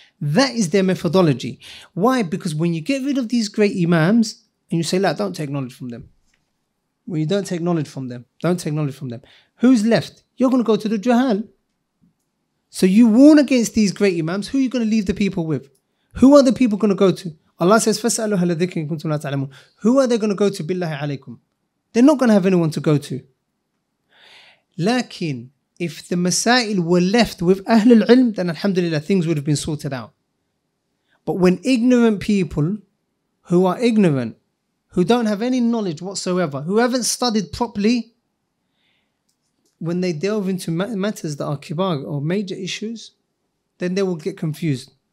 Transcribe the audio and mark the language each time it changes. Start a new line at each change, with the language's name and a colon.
English: That is their methodology. Why? Because when you get rid of these great imams and you say, "La, don't take knowledge from them." When you don't take knowledge from them, don't take knowledge from them. Who's left? You're going to go to the Juhal. So you warn against these great imams, who are you going to leave the people with? Who are the people going to go to? Allah says,
Arabic: فَاسْأَلُوا هَلَ ذِكْرٍ كُنْتُمْ لَا تَعْلَمُونَ.
English: Who are they going to go to?
Arabic: بِاللَّهِ عَلَيْكُمْ.
English: They're not going to have anyone to go to. لكن, if the masail were left with Ahlul Ilm, then alhamdulillah, things would have been sorted out. But when ignorant people, who are ignorant, who don't have any knowledge whatsoever, who haven't studied properly, when they delve into matters that are kibar or major issues, then they will get confused.